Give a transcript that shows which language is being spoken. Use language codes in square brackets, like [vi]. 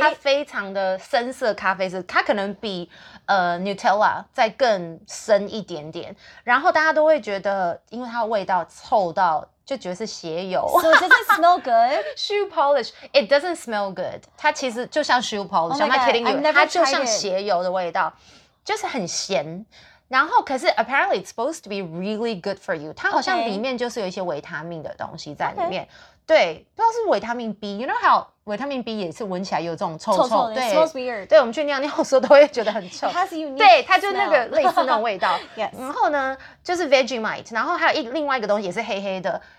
[zh] 它非常的深色咖啡色，它可能比Nutella 再更深一点点，然后大家都会觉得，因为它的味道臭到就觉得是鞋油。 [en] So does it smell good? Shoe polish. It doesn't smell good. [zh] 它其实就像 [en] shoe polish. Oh my God, I've never tried it. [zh] 它就像鞋油的味道，就是很咸。然后可是 [en] apparently it's supposed to be really good for you. [zh] 它好像里面就是有一些维他命的东西在里面。 [en] Okay. [zh] 对，不知道是维他命 B， [en] you know how [zh] 维他命 B 也是闻起来有这种臭的，对， [en] smells weird。 [zh] 对，我们去尿尿的时候都会觉得很臭。 [en] It has unique smell. [zh] 对，它就那个类似那种味道。 [en] yes. [zh] 然后呢，就是 Vegemite， 然后还有另外一个东西也是黑黑的。